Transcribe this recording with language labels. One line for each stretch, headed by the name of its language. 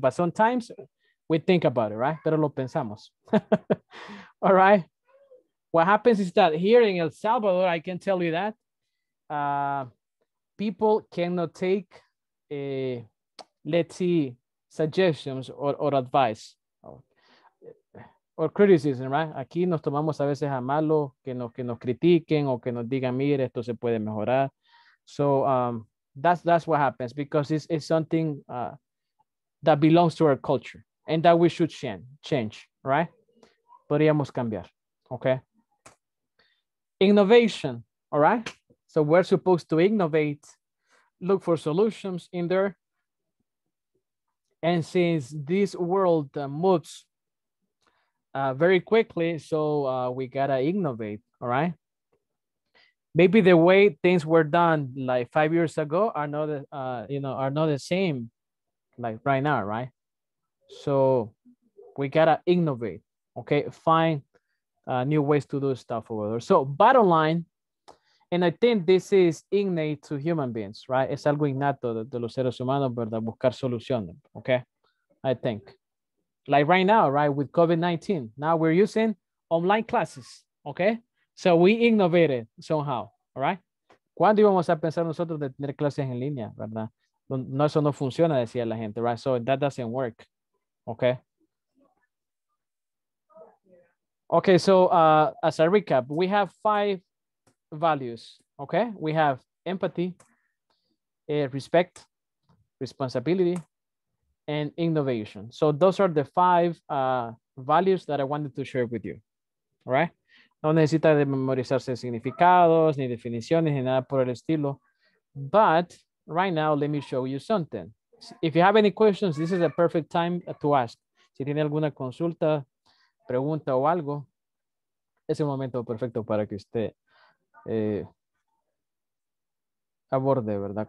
English: But sometimes we think about it, right?
Spanish: Pero lo pensamos.
English: All right? What happens is that here in El Salvador, I can tell you that, people cannot take, let's see, suggestions or advice or criticism, right?
Spanish: Aquí nos tomamos a veces a malo que nos critiquen o que nos digan, mire, esto se puede mejorar.
English: So that's what happens because it's something that belongs to our culture and that we should change, right?
Spanish: Podríamos cambiar,
English: okay? Innovation, all right? So we're supposed to innovate, look for solutions in there. And since this world moves very quickly, so we gotta innovate, all right? Maybe the way things were done like 5 years ago are not are not the same like right now, right? So we gotta innovate, okay? Find new ways to do stuff over there. So bottom line, and I think this is innate to human beings, right?
Spanish: Es algo innato de los seres humanos, ¿verdad? Buscar soluciones,
English: okay? I think. Like right now, right? With COVID-19, now we're using online classes, okay? So we innovated somehow, all right?
Spanish: ¿Cuándo íbamos a pensar nosotros de tener clases en línea, verdad? No, eso no funciona, decía la gente, right?
English: So that doesn't work, okay? Okay, so as a recap, we have five values, okay? We have empathy, respect, responsibility, and innovation. So those are the five values that I wanted to share with you, all right?
Spanish: No necesita de memorizarse significados, ni definiciones, ni nada por el estilo.
English: But right now, let me show you something. If you have any questions, this is a perfect time to ask.
Spanish: Si tiene alguna consulta, pregunta o algo, es el momento perfecto para que usted aborde, ¿verdad?